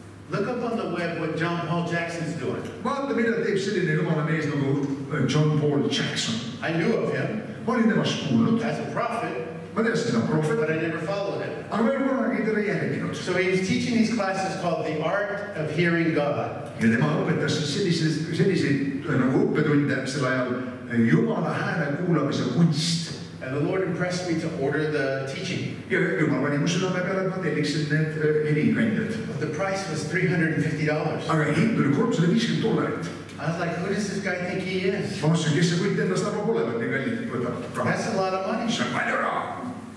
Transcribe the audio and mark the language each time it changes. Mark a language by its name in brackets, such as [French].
[English] Look up on the web what John Paul Jackson's doing. [Estonian] Vaata, mida teeb selline jumala mees nagu John Paul Jackson. [English] I knew of him. [Estonian] Ma olin temast kuulnud. [English] As a prophet. [Estonian] Ma teasin, et ta on prohvet. [English] But I never followed him. [Estonian] Aga ma ei kunagi teda jälginud. [English] So he was teaching these classes called The Art of Hearing God. [Estonian] Ja tema õpetas selliseid nagu õppetunde sel ajal jumala hääle kuulamise kunst. [English] And the Lord impressed me to order the teaching. But the price was $350. I was like, who does this guy think he is? That's a lot of money.